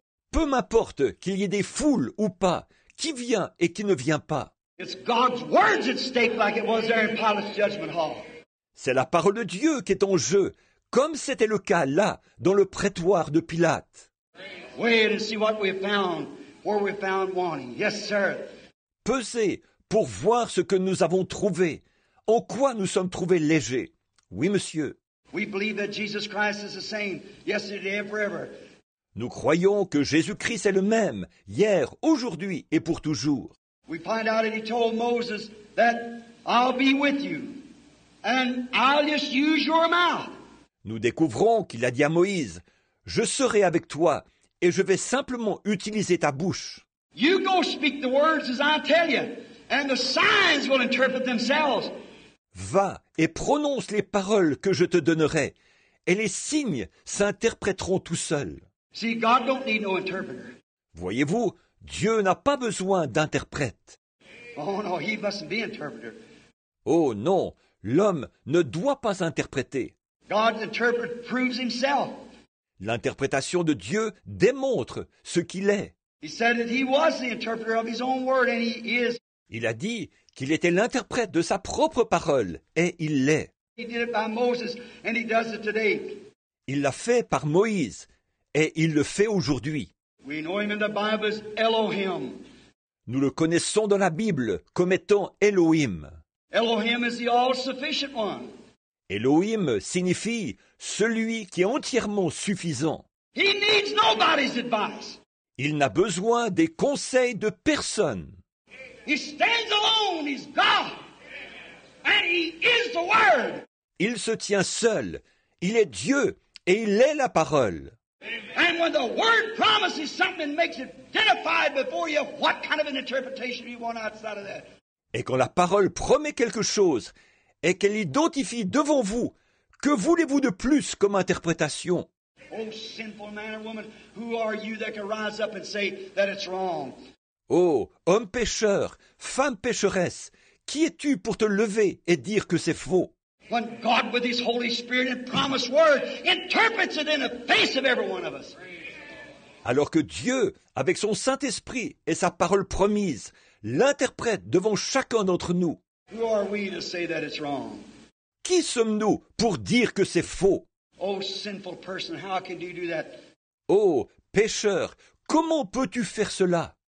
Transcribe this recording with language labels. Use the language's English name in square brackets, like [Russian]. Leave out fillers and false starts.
[French] Peu m'importe qu'il y ait des foules ou pas, qui vient et qui ne vient pas. [English] It's God's words at stake like it was there in Pilate's judgment hall. [French] C'est la parole de Dieu qui est en jeu, comme c'était le cas là, dans le prétoire de Pilate. [English] Wait and see what we found, where we found wanting. Yes, sir. [French] Pesez pour voir ce que nous avons trouvé, en quoi nous sommes trouvés légers. Oui, monsieur. [English] We believe that Jesus Christ is the same yesterday and forever. [French] Nous croyons que Jésus-Christ est le même, hier, aujourd'hui et pour toujours. [English] We find out that he told Moses that I'll be with you. And I'll just use your mouth. [French] Nous découvrons qu'il a dit à Moïse, « Je serai avec toi et je vais simplement utiliser ta bouche. » [English] You go speak the words as I tell you, and the signs will interpret themselves. [French] Va et prononce les paroles que je te donnerai, et les signes s'interpréteront tout seuls. [English] See, God don't need no interpreter. [French] Voyez-vous, Dieu n'a pas besoin d'interprète. [English] Oh no, he mustn't be interpreter. [French] Oh non. L'homme ne doit pas interpréter. [English] God's interpreter proves himself. [French] L'interprétation de Dieu démontre ce qu'il est. [English] He said that he was the interpreter of his own word, and he is. [French] Il a dit qu'il était l'interprète de sa propre parole, et il l'est. [English] He did it by Moses, and he does it today. [French] Il l'a fait par Moïse, et il le fait aujourd'hui. [English] We know him in the Bible as Elohim. [French] Nous le connaissons dans la Bible comme étant Elohim. [English] Elohim is the all-sufficient one. [French] Elohim signifie celui qui est entièrement suffisant. [English] He needs nobody's advice. [French] Il n'a besoin des conseils de personne. [English] He stands alone, he's God, and he is the Word. [French] Il se tient seul, il est Dieu et il est la parole. [English] And when the word promises something, makes it identified before you what kind of an interpretation you want outside of that. [French] Et quand la parole promet quelque chose et qu'elle identifie devant vous, que voulez-vous de plus comme interprétation? [English] Oh, sinful man or woman, who are you that can rise up and say that it's wrong? [French] Oh, homme pécheur, femme pécheresse, qui es-tu pour te lever et dire que c'est faux? [English] When God with his Holy Spirit and promised word interprets it in the face of every one of us. [French] Alors que Dieu, avec son Saint-Esprit et sa parole promise, l'interprète devant chacun d'entre nous. [English] Who are we to say that it's wrong? [French] Qui sommes-nous pour dire que c'est faux? [English] Oh, sinful person, how can you do that? [French] Oh, pécheur, comment peux-tu faire cela?